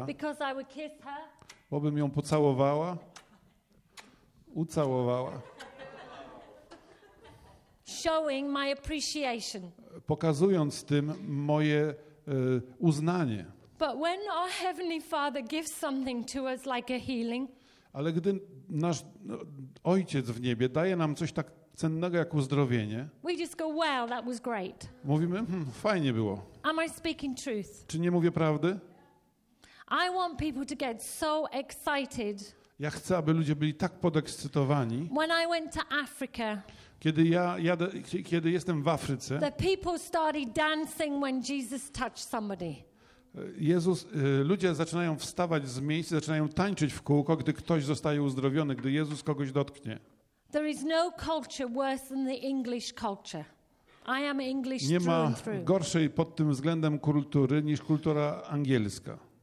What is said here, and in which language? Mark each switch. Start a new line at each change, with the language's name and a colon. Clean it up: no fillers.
English: Because I would kiss her.
Polish: Bo bym ją pocałowała. Ucałowała.
English: Showing my appreciation.
Polish: Pokazując tym moje uznanie.
English: But when our heavenly Father gives something to us like a healing.
Polish: Ale gdy nasz Ojciec w niebie daje nam coś tak cennego jak uzdrowienie,
English: we just go, well, that was great.
Polish: Mówimy, fajnie było.
English: Am I speaking truth?
Polish: Czy nie mówię prawdy?
English: I want people to get so excited.
Polish: Ja chcę, aby ludzie byli tak podekscytowani.
English: When I went to Africa,
Polish: kiedy ja jadę, kiedy jestem w Afryce,
English: the people started dancing when Jesus touched somebody.
Polish: Jezus, ludzie zaczynają wstawać z miejsc, zaczynają tańczyć w kółko, gdy ktoś zostaje uzdrowiony, gdy Jezus kogoś dotknie.
English: There is no culture worse than the English culture. I am English.
Polish: Nie ma gorszej pod tym względem kultury niż kultura angielska.